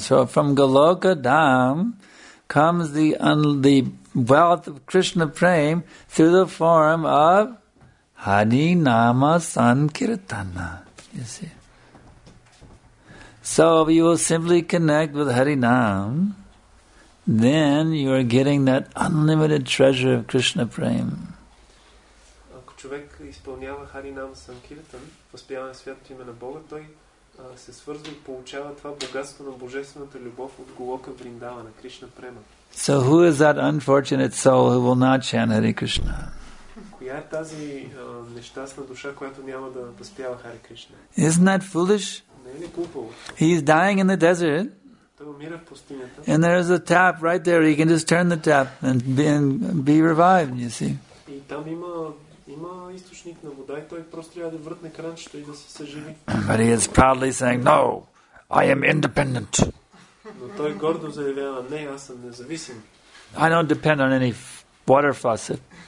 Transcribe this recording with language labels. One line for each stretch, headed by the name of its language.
English: So from Goloka Dham comes the wealth of Krishna Prema through the form of Hari Nama Sankirtana. You see. So if you will simply connect with Harinam, then you are getting that unlimited treasure of Krishna Prem.
Bulgarian: Ако човек изпълнява Харинам Санкиртан, възпяване святото име на Бога, той се свързва и получава това богатство на божествената любов от Голока Вриндава на Кришна Према.
English: So who is that unfortunate soul who will not chant Hare Krishna?
Bulgarian: Коя е тази нещастна душа, която няма да възпява Хари Кришна?
English: Isn't that foolish?
Bulgarian: Не е ли глупо?
English: He is dying in the desert.
Bulgarian: Той умира в пустинята.
English: And there is a tap right there. He can just turn the tap and be revived, you see.
Bulgarian: И там има източник на вода и той просто трябва да въртне кранчето и да се съживи.
English: But he is proudly saying, no, I am independent.
Bulgarian: Но той гордо заявява, не, аз съм независим.
English: I don't depend on any water faucet.